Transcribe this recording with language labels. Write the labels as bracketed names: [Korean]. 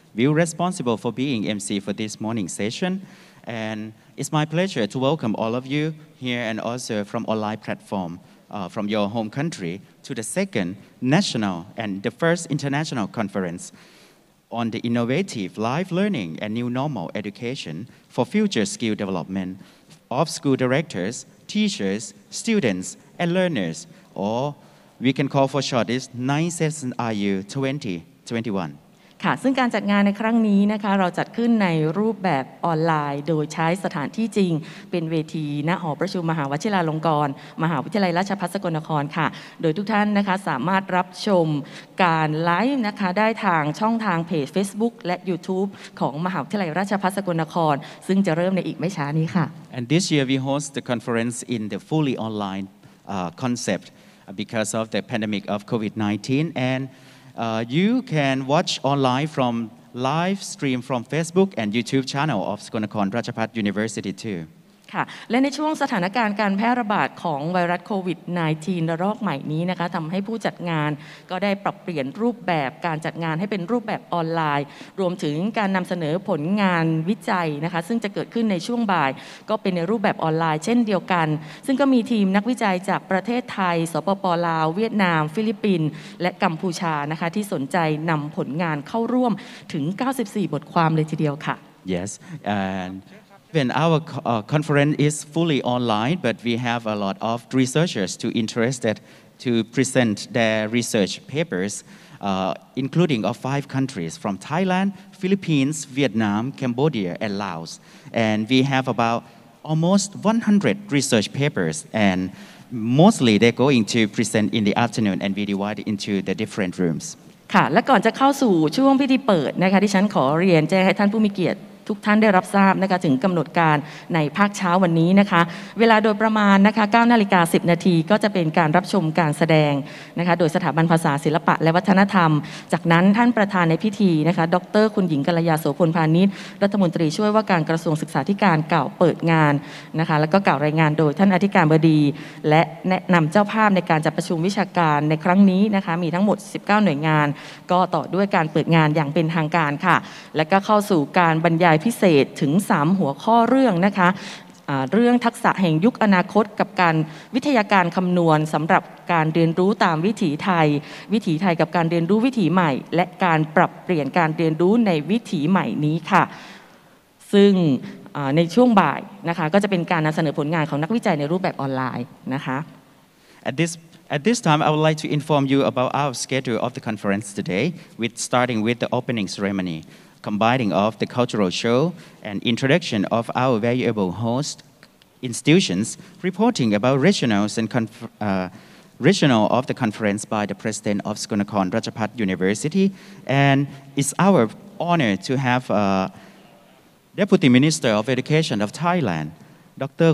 [English] We are responsible for being MC for this morning session. And it's my pleasure to welcome all of you here and also from online platform from your home country to the second national and the first international conference on the innovative life learning and new normal education for future skill development of school directors,teachers, students, and learners, or we can call for short is 9SNIU2021. [Thai] ค่ะซึ่งการจัดงานในครั้งนี้นะคะเราจัดขึ้นในรูปแบบออนไลน์โดยใช้สถานที่จริงเป็นเวทีณหอประชุมมหาวชิราลงกรณ์มหาวิทยาลัยราชภัฏสกลนครค่ะโดยทุกท่านนะคะสามารถรับชมการไลฟ์นะคะได้ทางช่องทางเพจ Facebook และ YouTube ของมหาวิทยาลัยราชภัฏสกลนครซึ่งจะเริ่มในอีกไม่ช้านี้ค่ะ [English] And this year we host the conference in the fully online concept because of the pandemic of COVID-19 andyou can watch online from live stream from Facebook and YouTube channel of Skonakorn Ratchaphat University too. [Thai] ค่ะและในช่วงสถานการณ์การแพร่ระบาดของไวรัสโควิด -19 ระลอกใหม่นี้นะคะทำให้ผู้จัดงานก็ได้ปรับเปลี่ยนรูปแบบการจัดงานให้เป็นรูปแบบออนไลน์รวมถึงการนำเสนอผลงานวิจัยนะคะซึ่งจะเกิดขึ้นในช่วงบ่ายก็เป็นในรูปแบบออนไลน์เช่นเดียวกันซึ่งก็มีทีมนักวิจัยจากประเทศไทยสปป. ลาวเวียดนามฟิลิปปินส์และกัมพูชานะคะที่สนใจนำผลงานเข้าร่วมถึง94บทความเลยทีเดียวค่ะ [English] Yes andEven our conference is fully online, but we have a lot of researchers too interested to present their research papers, including of 5 countries from Thailand, Philippines, Vietnam, Cambodia, and Laos. And we have about almost 100 research papers, and mostly they're going to present in the afternoon, and we divide into the different rooms. [Thai] ค่ะ และก่อนจะเข้าสู่ช่วงพิธีเปิดนะคะที่ฉันขอเรียนแจ้งให้ท่านผู้มีเกียรติทุกท่านได้รับทราบนะคะถึงกำหนดการในภาคเช้าวันนี้นะคะเวลาโดยประมาณนะคะ 9:10 นาทีก็จะเป็นการรับชมการแสดงนะคะโดยสถาบันภาษาศิลปะและวัฒนธรรมจากนั้นท่านประธานในพิธีนะคะดร. คุณหญิงกัลยาโสพลพานิชรัฐมนตรีช่วยว่าการกระทรวงศึกษาธิการกล่าวเปิดงานนะคะแล้วก็กล่าวรายงานโดยท่านอธิการบดีและแนะนำเจ้าภาพในการจัดประชุมวิชาการในครั้งนี้นะคะมีทั้งหมด19หน่วยงานก็ต่อด้วยการเปิดงานอย่างเป็นทางการค่ะและก็เข้าสู่การบรรยายพิเศษถึง3หัวข้อเรื่องนะคะ เรื่องทักษะแห่งยุคอนาคตกับการวิทยาการคำนวณสำหรับการเรียนรู้ตามวิถีไทยวิถีไทยกับการเรียนรู้วิถีใหม่และการปรับเปลี่ยนการเรียนรู้ในวิถีใหม่นี้ค่ะซึ่งในช่วงบ่ายนะคะก็จะเป็นการนำเสนอผลงานของนักวิจัยในรูปแบบออนไลน์นะคะ [English] At this time I would like to inform you about our schedule of the conference today with starting with the opening ceremonyCombining of the cultural show and introduction of our valuable host institutions, reporting about regionals and regional of the conference by the president of Skonakorn Ratchaphat University, and it's our honor to have Deputy Minister of Education of Thailand, Dr.